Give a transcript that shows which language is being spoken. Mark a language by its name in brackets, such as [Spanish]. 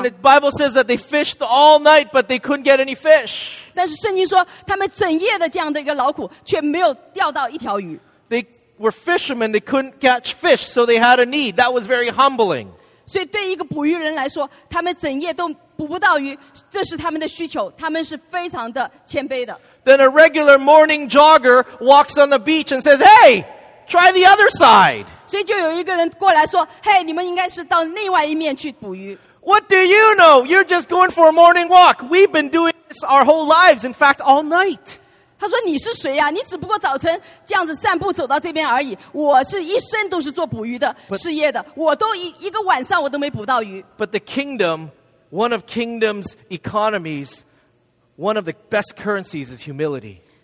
[English] And the Bible says that they fished all night, but they couldn't get any fish. [Chinese] 但是圣经说，他们整夜的这样的一个劳苦，却没有钓到一条鱼。 [English] They were fishermen, they couldn't catch fish, so they had a need. That was very humbling. [Chinese] 所以对一个捕鱼人来说，他们整夜都捕不到鱼，这是他们的需求，他们是非常的谦卑的。 [English] Then a regular morning jogger walks on the beach and says, "Hey, try the other side." [Chinese] 所以就有一个人过来说, [English] "Hey, [Chinese] 你们应该是到另外一面去捕鱼。 [English] What do you know? You're just going for a morning walk. We've been doing this our whole lives, in fact, all night." [Chinese] 他说你是谁呀? 你只不过早晨这样子散步走到这边而已。我是一生都是做捕鱼的事业的。我都一个晚上我都没捕到鱼。 [English] But the kingdom, one of kingdom's economies, one of the best currencies is humility.